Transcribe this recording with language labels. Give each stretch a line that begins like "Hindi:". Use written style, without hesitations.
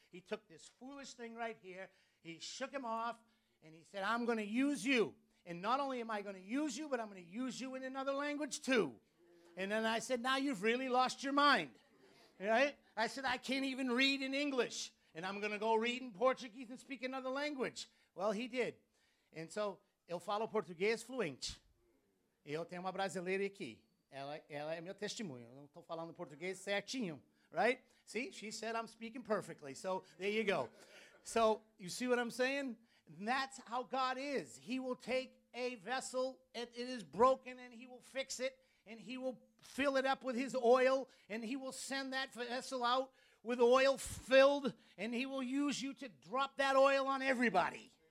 English: He took this foolish thing right here. He shook him off, and he said, I'm going to use you. And not only am I going to use you, but I'm going to use you in another language too. And then I said, now you've really lost your mind. Right? I said, I can't even read in English. And I'm going to go read in Portuguese and speak another language. Well, he did. And so,
Portuguese: eu falo português fluente. Eu tenho uma brasileira aqui. Ela é meu testemunho. Eu não estou falando português certinho.
English: Right? See, she said I'm speaking perfectly. So, there you go. So, you see what I'm saying? And that's how God is. He will take a vessel, it is broken, and he will fix it. And he will fill it up with his oil. And he will send that vessel out with oil filled, and he will use you to drop that oil on everybody.